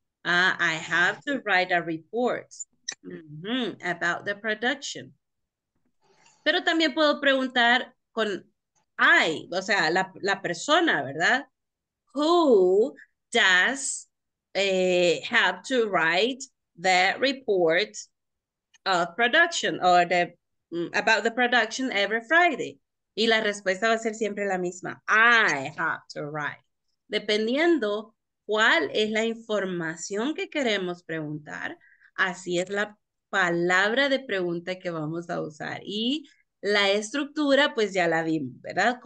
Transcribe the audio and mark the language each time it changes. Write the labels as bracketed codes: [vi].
[en] I have to write a report about the production. [es] Pero también puedo preguntar con I, o sea, la persona, ¿verdad? [en] Who does have to write the report of production or the about the production every Friday? [es] Y la respuesta va a ser siempre la misma. [en] I have to write. [es] Dependiendo cuál es la información que queremos preguntar, así es la palabra de pregunta que vamos a usar. Y la estructura, pues ya la vimos, ¿verdad?